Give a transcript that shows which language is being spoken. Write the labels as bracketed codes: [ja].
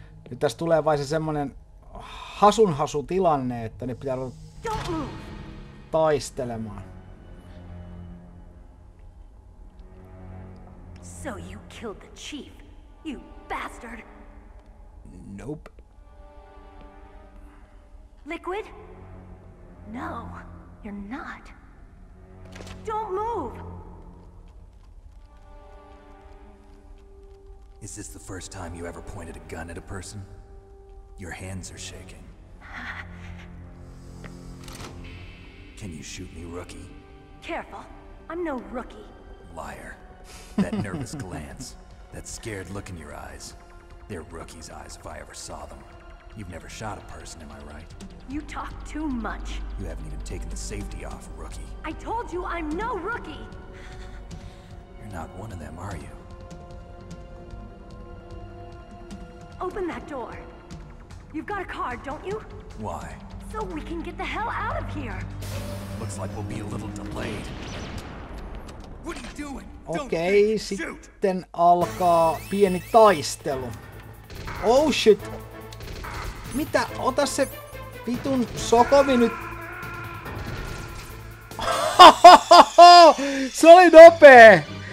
[fi] Nyt tässä tulee vain se semmonen hasunhasu tilanne, että ne pitää ruveta taistelemaan. [en] So you killed the chief, you bastard. Nope. Liquid? No, you're not. Don't move. Is this the first time you ever pointed a gun at a person? Your hands are shaking. Can you shoot me, rookie? Careful. I'm no rookie. Liar. That nervous glance, that scared look in your eyes. They're rookie's eyes if I ever saw them. You've never shot a person, am I right? You talk too much. You haven't even taken the safety off, rookie. I told you I'm no rookie! You're not one of them, are you? Open that door. You've got a card, don't you? Why? So we can get the hell out of here. Looks like we'll be a little delayed. What are you doing? [fi] Okei, sitten alkaa pieni taistelu. [en] Oh shit! [fi] Mitä? Ota se vitun sokovi nyt! Se oli nopee!